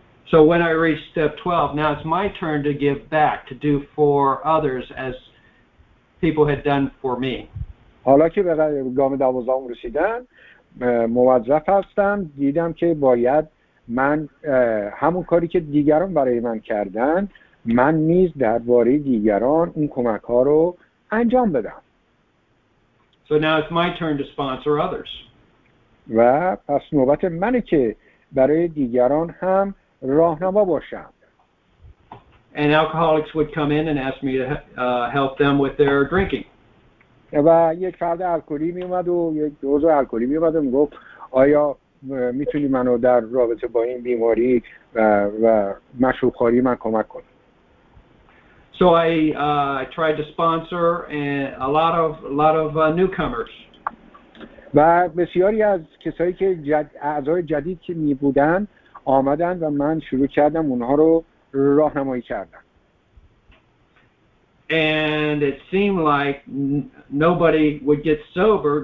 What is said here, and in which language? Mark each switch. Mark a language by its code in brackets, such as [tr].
[en] So when I reach step 12, now it's my turn to give back, to do for others as people had done for me. [fa] حالا که به گام 12 رسیدم، موظف هستم، دیدم که باید من همون کاری که دیگران برای من کردن، من نیز درباره دیگران اون کمک ها رو انجام بدم. [en] So now it's my turn to sponsor others. [fa] و پس نوبت منه که برای دیگران هم راهنما باشم. [en] And alcoholics would come in and ask me to help them with their drinking. [fa] و یک فرد الکلی می اومد و یک دوز الکلی می اومد و می گفت آیا میتونی منو در رابطه با این بیماری و مشروبخواری من کمک کنی؟ [en] So I tried to sponsor a lot of newcomers. [fa] و بسیاری از کسایی که اعضای جدید که می بودن آمدن و من شروع کردم اونها رو راهنمایی کردم. [en] And it seemed like nobody would get sober.